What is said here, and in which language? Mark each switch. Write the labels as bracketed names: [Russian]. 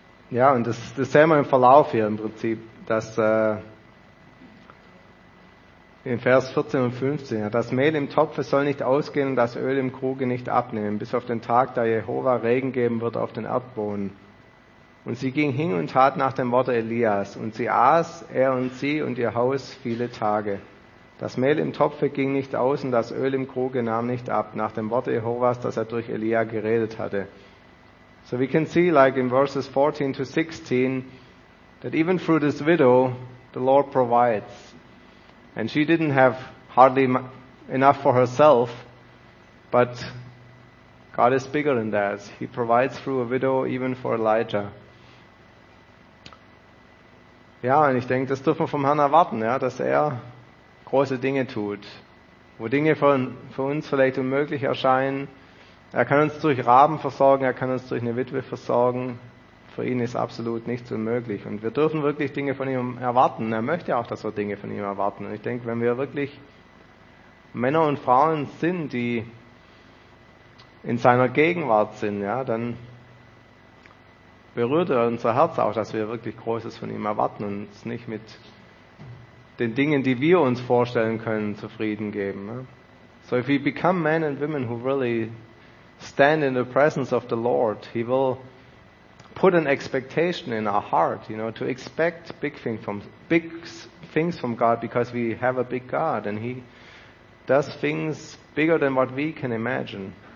[German] Ja, und das sehen wir im Verlauf hier im Prinzip, dass in Vers 14 und 15, ja, das Mehl im Topfe soll nicht ausgehen und das Öl im Kruge nicht abnehmen, bis auf den Tag, da Jehova Regen geben wird auf den Erdboden. Und sie ging hin und tat nach dem Wort Elias, und sie aß, er und sie und ihr Haus, viele Tage. Das Mehl im Topfe ging nicht aus und das Öl im Kruge nahm nicht ab, nach dem Wort Jehovas, das er durch Elia geredet hatte. [English] So we can see, like in verses 14 to 16, that even through this widow, the Lord provides. And she didn't have hardly enough for herself, but God is bigger than that. He provides through a widow, even for Elijah. [German] Ja, und ich denke, das dürfen wir vom Herrn erwarten, ja, dass er große Dinge tut. Wo Dinge für uns vielleicht unmöglich erscheinen, er kann uns durch Raben versorgen, er kann uns durch eine Witwe versorgen. Für ihn ist absolut nichts unmöglich. Und wir dürfen wirklich Dinge von ihm erwarten. Er möchte auch, dass wir Dinge von ihm erwarten. Und ich denke, wenn wir wirklich Männer und Frauen sind, die in seiner Gegenwart sind, ja, dann berührt er unser Herz auch, dass wir wirklich Großes von ihm erwarten und uns nicht mit den Dingen, die wir uns vorstellen können, zufrieden geben. Ja. [English] So if we become men and women who really stand in the presence of the Lord, he will put an expectation in our heart, you know, to expect big things from God, because we have a big God and he does things bigger than what we can imagine.